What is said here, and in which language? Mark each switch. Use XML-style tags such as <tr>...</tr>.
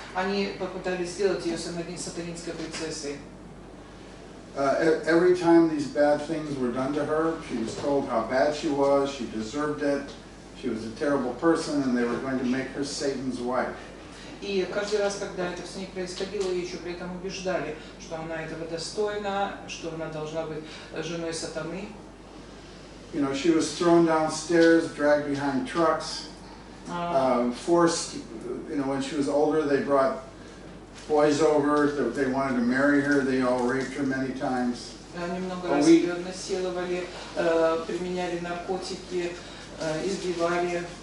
<ru>Они попытались сделать ее сатанинской принцессой.</ru> <en>Every time these bad things were done to her, she was told how bad she was, she deserved it, she was a terrible person, and they were going to make her Satan's wife.</en> <ru>И каждый раз, когда это все не происходило, ее еще при этом убеждали, что она этого достойна, что она должна быть женой сатаны.</ru> <en>You know, she was thrown downstairs, dragged behind trucks, forced, you know, when she was older, they brought boys over, they wanted to marry her, they all raped her many times.</en> <ru>Они много раз ее насиловали, применяли наркотики, избивали.</ru>